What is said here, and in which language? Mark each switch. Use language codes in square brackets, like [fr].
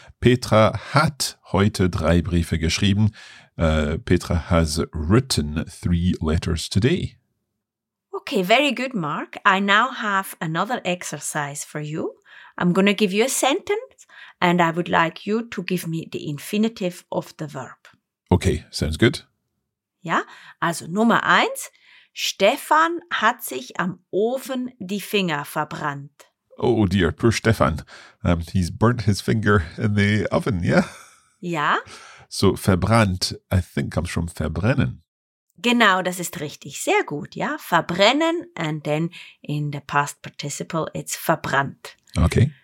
[de] Petra hat heute 3 Briefe geschrieben. [en] Petra has written 3 letters today. Okay, very good, Mark. I now have another exercise for you. I'm going to give you a sentence and I would like you to give me the infinitive of the verb. Okay, sounds good. [de] Ja, also Nummer 1. Stefan hat sich am Ofen die Finger verbrannt. [en] Oh dear, poor Stefan. He's burnt his finger in the oven, yeah? [de] Ja. [en] So verbrannt, I think, comes from verbrennen. [de] Genau, das ist richtig. Sehr gut, ja? Verbrennen, [en] and then in the past participle it's [de] verbrannt. [en] Okay.